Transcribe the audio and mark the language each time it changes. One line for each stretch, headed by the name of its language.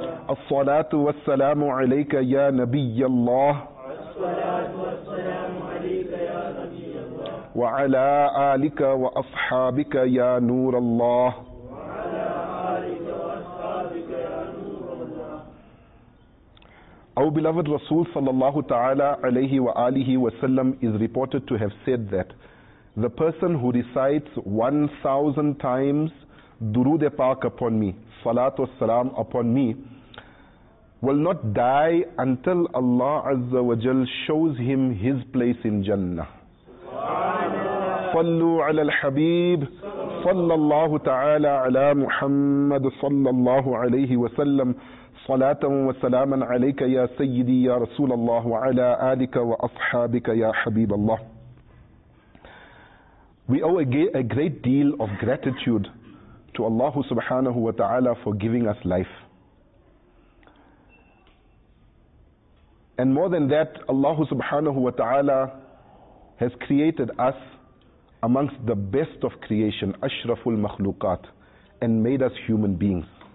Arabic: الصلاة والسلام عليك يا نبي الله وعلى آلك وأصحابك يا نور الله وعلى آلك وأصحابك يا نور الله.
English: Our beloved Rasul sallallahu ta'ala alayhi wa alihi wa sallam is reported to have said that the person who recites 1,000 times durood paak upon me, salat wa salam upon me, will not die until Allah azza wa jal shows him his place in Jannah.
Arabic: صلوا على الحبيب صلى الله تعالى على محمد صلى الله عليه وسلم صلاة وسلاما عليك يا سيدي يا رسول الله وعلى آلك وأصحابك يا حبيب الله.
English: We owe a great deal of gratitude to Allah
Arabic: سبحانه وتعالى
English: for giving us life. And more than that, Allah
Arabic: سبحانه وتعالى
English: has created us amongst the best of creation, ashraful makhlukat, and made us human beings.